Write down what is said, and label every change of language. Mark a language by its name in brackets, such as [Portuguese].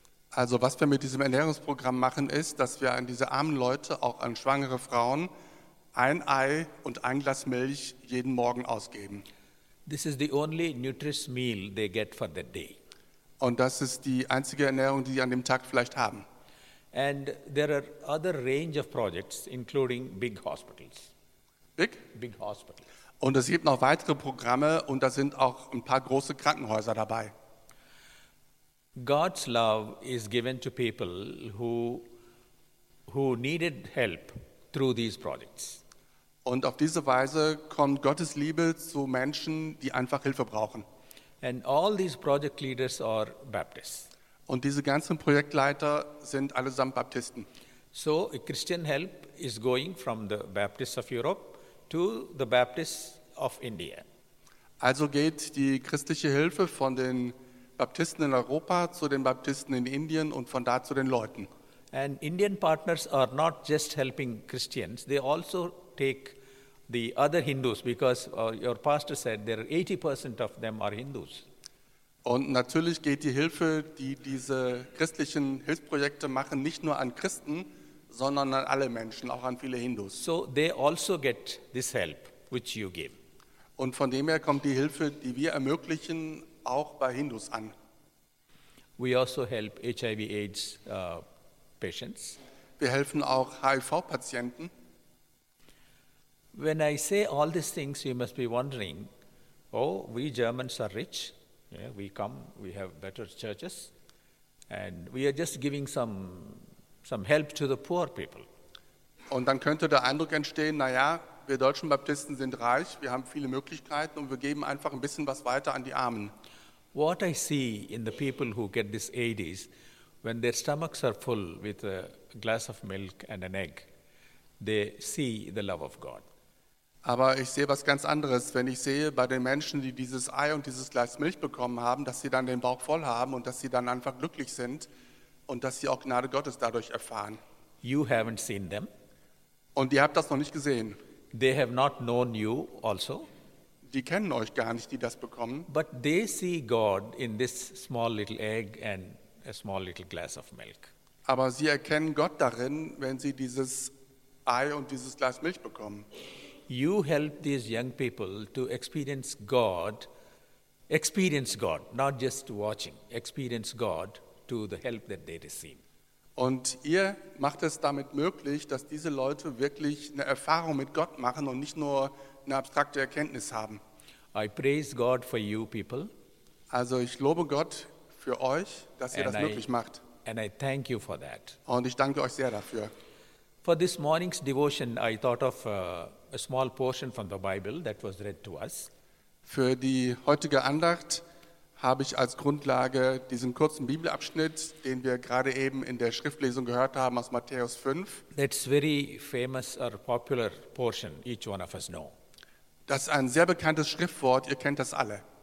[German] Also was wir mit diesem Ernährungsprogramm machen ist, dass wir an diese armen Leute, auch an schwangere Frauen, ein Ei und ein Glas Milch jeden Morgen ausgeben. [English] This is the only nutritious meal they get for that day. [German] Und das ist die einzige Ernährung, die sie an dem Tag vielleicht haben. [English] And there are other range of projects, including big hospitals. Big hospitals. [German] Und es gibt noch weitere Programme und da sind auch ein paar große Krankenhäuser dabei. [English] God's love is given to people who needed help through these projects. [German] Und auf diese Weise kommt Gottes Liebe zu Menschen, die einfach Hilfe brauchen. [English] And all these project leaders are Baptists. [German] Und diese ganzen Projektleiter sind allesamt Baptisten. [English] So a Christian help is going from the Baptists of Europe to the Baptists of India. [German] Also geht die christliche Hilfe von den Baptisten in Europa zu den Baptisten in Indien und von da zu den Leuten. [English] And Indian partners are not just helping Christians, they also take the other Hindus, because your pastor said there are 80% of them are Hindus. [German] Und natürlich geht die Hilfe, die diese christlichen Hilfsprojekte machen, nicht nur an Christen, sondern an alle Menschen, auch an viele Hindus. [English] So they also get this help, which you give. [German] Und von dem her kommt die Hilfe, die wir ermöglichen, auch bei Hindus an. [English] We also help HIV/AIDS patients. [German] Wir helfen auch HIV-Patienten. [English] When I say all these things, you must be wondering, oh, we Germans are rich. Yeah, we come, we have better churches, and we are just giving some help to the poor people. [German] Und dann könnte der Eindruck entstehen, na ja, wir deutschen Baptisten sind reich, wir haben viele Möglichkeiten und wir geben einfach ein bisschen was weiter an die Armen. [English] What I see in the people who get this aid is, when their stomachs are full with a glass of milk and an egg, they see the love of God. [German] Aber ich sehe was ganz anderes, wenn ich sehe bei den Menschen, die dieses Ei und dieses Glas Milch bekommen haben, dass sie dann den Bauch voll haben und dass sie dann einfach glücklich sind und dass sie auch Gnade Gottes dadurch erfahren. [English] You haven't seen them. [German] Und ihr habt das noch nicht gesehen. [English] They have not known you also. [German] Die kennen euch gar nicht, die das bekommen. [English] But they see God in this small little egg and a small little glass of milk. [German] Aber sie erkennen Gott darin, wenn sie dieses Ei und dieses Glas Milch bekommen. [English] You help these young people to experience God, not just watching, experience God to the help that they receive. [German] Und ihr macht es damit möglich, dass diese Leute wirklich eine Erfahrung mit Gott machen und nicht nur eine abstrakte Erkenntnis haben. [English] I praise God for you people. [German] Also ich lobe Gott für euch, dass ihr das möglich macht. [English] And I thank you for that. [German] Und ich danke euch sehr dafür. [English] For this morning's devotion, I thought of a small portion from the Bible that was read to us. [German] Für die heutige Andacht habe ich als Grundlage diesen kurzen Bibelabschnitt, den wir gerade eben in der Schriftlesung gehört haben aus Matthäus 5. [English] That's very famous or popular portion each one of us know. [German] Das ist ein sehr bekanntes Schriftwort, ihr kennt das alle.